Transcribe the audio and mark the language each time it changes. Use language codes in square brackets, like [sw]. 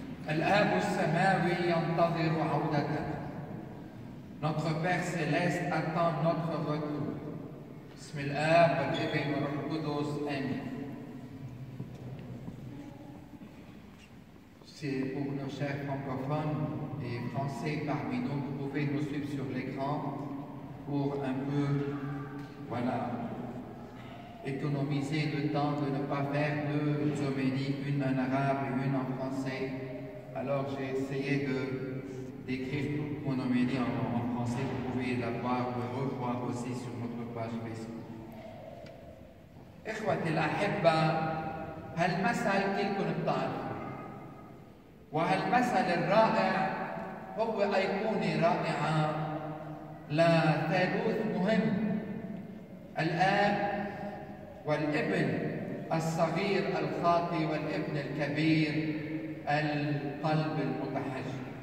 [ar] الآب السماوي ينتظر عودتك. [fr] Notre Père céleste attend notre retour. [ar] بسم الآب والابن والروح القدس آمين. [fr] C'est pour nos chers francophones et français parmi nous, vous pouvez nous suivre sur l'écran pour un peu, voilà, économiser le temps de ne pas faire deux homélies, une en arabe et une en français. Alors j'ai essayé de d'écrire toute mon homélie en français, vous pouvez la voir, le revoir aussi sur notre page Facebook. [ar] إخوتي الأحبة، هالمثل كلكم بتعرفوا. وهالمثل الرائع هو أيقونة رائعة لثالوث مهم، الآب والابن الصغير الخاطي والابن الكبير القلب المتحجر.